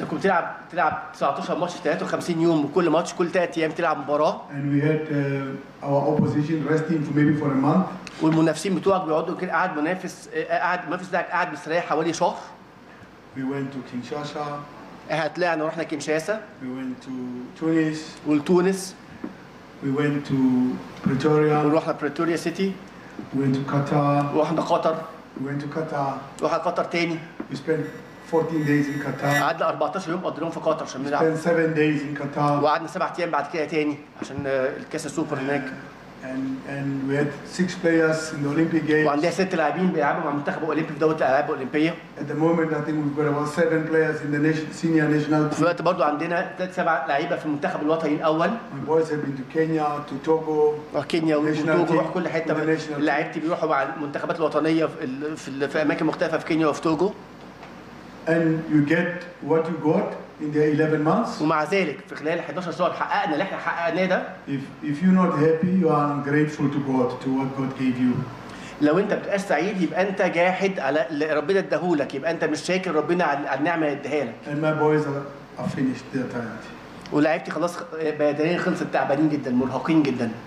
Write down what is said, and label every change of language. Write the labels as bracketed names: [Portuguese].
[Arabic] لو كنت تلعب 19 ماتش في 53 يوم وكل ماتش كل 3 ايام تلعب مباراة. [English] And we had our opposition resting for maybe for a month. [Arabic] والمنافسين بتوعك بيقعدوا كده قاعد منافس قاعد المنافس بتاعك قاعد مستريح حوالي شهر. [English] We went to Kinshasa. [Arabic] احنا طلعنا ورحنا كينشاسا. [English] We went to Tunis. [Arabic] ولتونس. [English] We went to Pretoria. [Arabic] ورحنا بريتوريا سيتي. [English] We went to Qatar. [Arabic] رحنا قطر. [English] We went to Qatar. [Arabic] رحنا قطر تاني. [English] We spent 14 days in Qatar. [Arabic] قعدنا 14 يوم قضيناهم في قطر عشان نلعب. [English] We spent 7 days in Qatar. [Arabic] وقعدنا 7 ايام بعد كده تاني عشان الكاس السوبر هناك. [English] And we had 6 players in the Olympic Games. [Arabic] وعندنا 6 لاعبين بيلعبوا مع المنتخب الاولمبي في دوري الالعاب الاولمبيه. [English] At the moment I think we've got about 7 players in the senior national team. [Arabic] في الوقت برضه عندنا 7 لعيبه في المنتخب الوطني الاول. [English] My boys have been to Kenya, to Togo. [Arabic] كينيا وتوجو راح كل حته لعيبتي بيروحوا مع المنتخبات الوطنيه في اماكن مختلفه في كينيا وفي توجو. [English] And you get what you got. In the 11 months. [Arabic] ومع ذلك في خلال 11 شهر حققنا اللي احنا حققناه ده. [English] If you're not happy, you are ungrateful to God, to what God gave you. [Arabic] لو انت بتبقاش سعيد يبقى انت جاحد على اللي ربنا اداهولك، يبقى انت مش شاكر ربنا على النعمه اللي اداها لك. [English] And my boys are finished their time. [Arabic] ولعبتي خلاص بدنيا خلصت تعبانين جدا مرهقين جدا.